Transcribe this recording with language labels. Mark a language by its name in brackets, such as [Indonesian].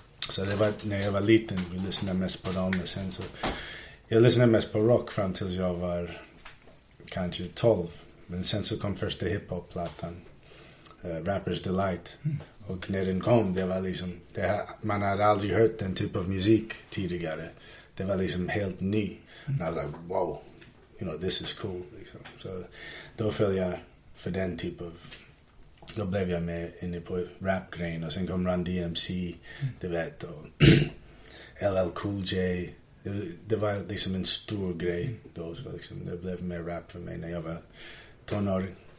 [Swedish] Så det var när jag var liten. Vi lyssnade mest på dem. Och sen så, jag lyssnade mest på rock fram tills jag var kanske 12. Men sen så kom första hiphop-plattan. Rapper's Delight. Mm. Och när den kom, det var liksom, man hade aldrig hört den typ av musik tidigare. Det var liksom helt ny. Mm. [English] And I was like, wow, you know, this is cool. [Swedish] Liksom. Så då föll jag för den typ av, då blev jag med inne på rap-grejen. Och sen kom Run DMC, du vet, och LL Cool J. Det var liksom en stor grej då. Så liksom, det blev mer rap för mig när jag var tonåring.